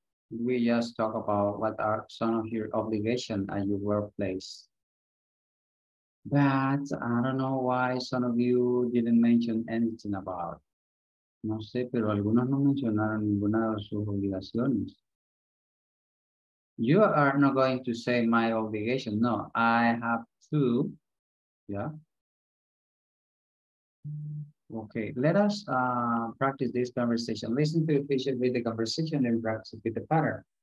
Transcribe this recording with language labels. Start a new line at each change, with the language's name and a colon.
English: We just talk about what are some of your obligations at your workplace. But I don't know why some of you didn't mention anything about.
Spanish: No sé, pero algunos no mencionaron ninguna de sus obligaciones.
English: You are not going to say my obligation. No, I have to. Yeah. Okay, let us practice this conversation. Listen to the patient with the conversation and practice with the pattern.